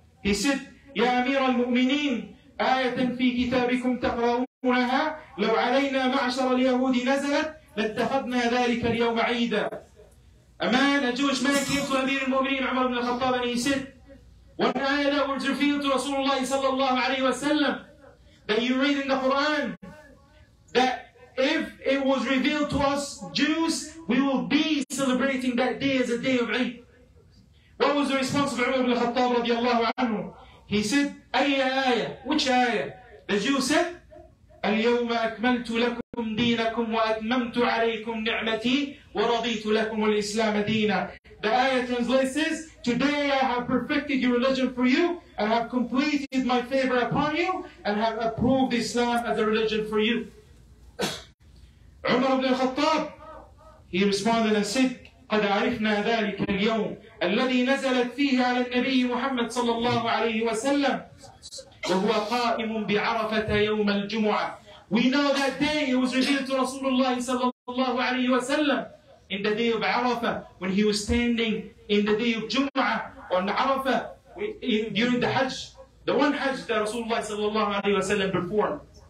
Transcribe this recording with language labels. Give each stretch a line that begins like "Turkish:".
English: He said,
Arabic: يا أمير المؤمنين آية في كتابكم تقرؤونها لو علينا معشر اليهود نزلت لاتخذنا ذلك اليوم عيدا.
English: A man, a Jewish man, came to Amir al-Mu'mineen Umar ibn al-Khattab, and he said, one ayah that was revealed to Rasulullah sallallahu alayhi wa sallam, that you read in the Quran, that if it was revealed to us Jews, we will be celebrating that day as a day of Eid. What was the response of Umar ibn al-Khattab radiallahu anhu? He said, ayya ayah, which ayah? The Jew said,
Arabic: اليوم أكملت لكم دينكم وأتممت عليكم نعمتي ورضيت لكم الإسلام دينا.
English: The ayah translates is, today I have perfected your religion for you and have completed my favor upon you and have approved Islam as a religion for you.
Arabic: عمر بن الخطاب,
English: he responded and said,
Arabic: قد عرفنا ذلك اليوم الذي نزلت فيه على النبي محمد صلى الله عليه وسلم وهو قائم بعرفة يوم الجمعة.
English: We know that day it was revealed to Rasulullah
Arabic: صلى الله عليه وسلم
English: in the day of Arafah, when he was standing in the day of Jum'ah on Arafah during the Hajj, the one Hajj that Rasulullah
Arabic: صلى الله عليه وسلم
English: performed.